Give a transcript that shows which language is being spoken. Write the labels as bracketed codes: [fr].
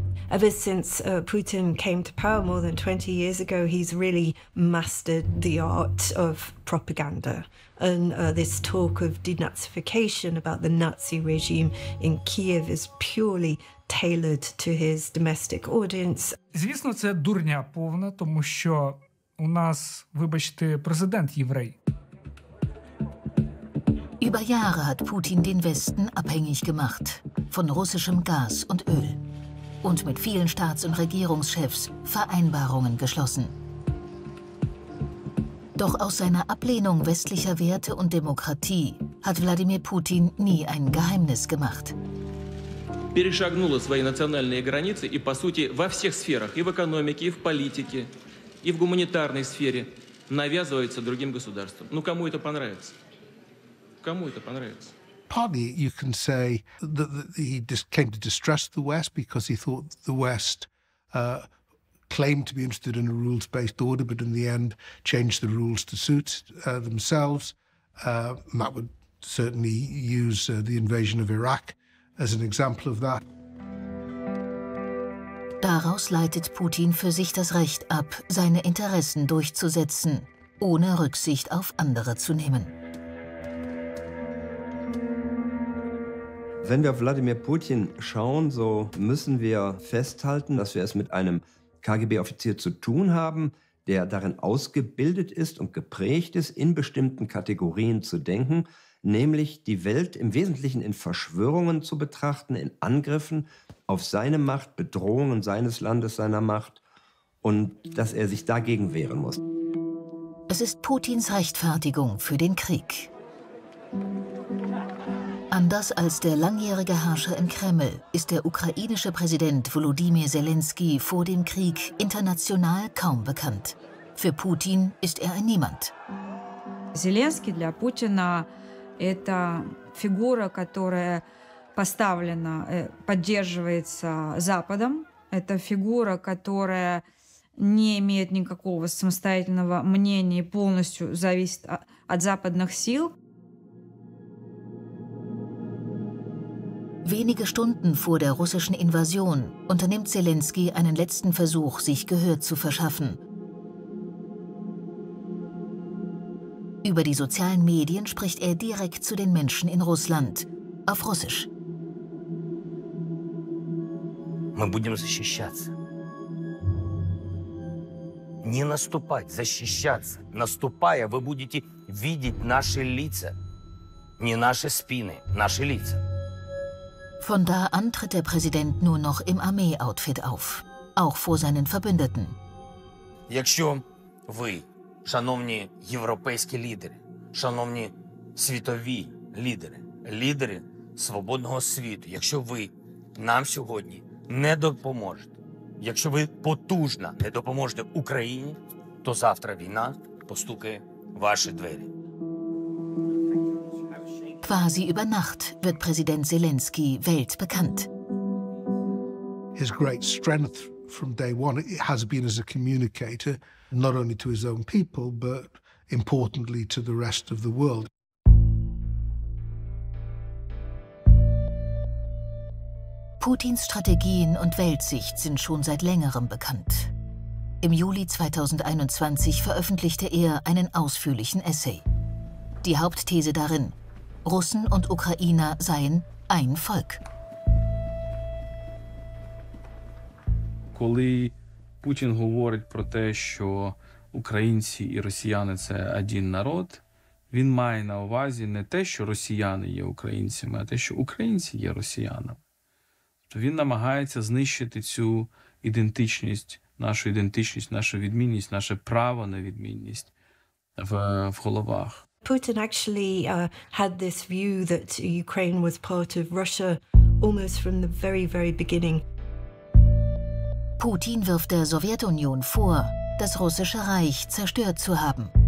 [en] Ever since Putin came to power more than 20 years ago, he's really mastered the art of propaganda. And this talk of denazification about the Nazi regime in Kiev is purely tailored to his domestic audience. [uk] Звісно, це дурня повна, тому що у нас, вибачте, президент єврей. [de] Über Jahre hat Putin den Westen abhängig gemacht von russischem Gas und Öl. Und mit vielen Staats- und Regierungschefs Vereinbarungen geschlossen. Doch aus seiner Ablehnung westlicher Werte und Demokratie hat Wladimir Putin nie ein Geheimnis gemacht. [ru] Перешагнула свои национальные границы и, по сути, во всех сферах, и в экономике, и в политике, и в гуманитарной сфере навязывается другим государствам. Ну, кому это понравится? Кому это понравится? [en] Partly, you can say that he just came to distrust the West because he thought the West claimed to be interested in a rules-based order, but in the end changed the rules to suit themselves. Matt would certainly use the invasion of Iraq as an example of that. [de] Daraus leitet Putin für sich das Recht ab, seine Interessen durchzusetzen, ohne Rücksicht auf andere zu nehmen. Wenn wir auf Wladimir Putin schauen, so müssen wir festhalten, dass wir es mit einem KGB-Offizier zu tun haben, der darin ausgebildet ist und geprägt ist, in bestimmten Kategorien zu denken, nämlich die Welt im Wesentlichen in Verschwörungen zu betrachten, in Angriffen auf seine Macht, Bedrohungen seines Landes, seiner Macht, und dass er sich dagegen wehren muss. Es ist Putins Rechtfertigung für den Krieg. Anders als der langjährige Herrscher im Kreml ist der ukrainische Präsident Volodymyr Zelensky vor dem Krieg international kaum bekannt. Für Putin ist er ein Niemand. [ru] Zelensky для Путина это фигура, которая поставлена, поддерживается Западом. Это фигура, которая не имеет никакого самостоятельного мнения и полностью зависит от западных сил. [de] Wenige Stunden vor der russischen Invasion unternimmt Zelensky einen letzten Versuch, sich Gehör zu verschaffen. Über die sozialen Medien spricht er direkt zu den Menschen in Russland, auf Russisch. [ru] Мы будем защищаться. Не наступать, защищаться. Наступая, вы будете видеть наши лица. Не наши спины, наши лица. [de] Von da an tritt der Präsident nur noch im Armee-Outfit auf, auch vor seinen Verbündeten. [uk] Якщо ви, шановні європейські лідери, шановні світові лідери, лідери свободного світу, якщо ви нам сьогодні не допоможете, якщо ви потужно не допоможете Україні, то завтра війна постукає в ваші двері. [de] Quasi über Nacht wird Präsident Zelensky weltbekannt. [en] His great strength from day one has been as a communicator, not only to his own people, but importantly to the rest of the world. [de] Putins Strategien und Weltsicht sind schon seit längerem bekannt. Im Juli 2021 veröffentlichte er einen ausführlichen Essay. Die Hauptthese darin: Russen und Ukrainer seien ein Volk. [uk] Коли Путін говорить про те, що українці і росіяни – це один народ, він має на увазі не те, що росіяни є українцями, а те, що українці є росіянами. Тобто він намагається знищити цю ідентичність, нашу ідентичність, нашу відмінність, наше право на відмінність в головах. [en] Putin actually had this view that Ukraine was part of Russia almost from the very, very beginning. [de] Putin wirft der Sowjetunion vor, das Russische Reich zerstört zu haben.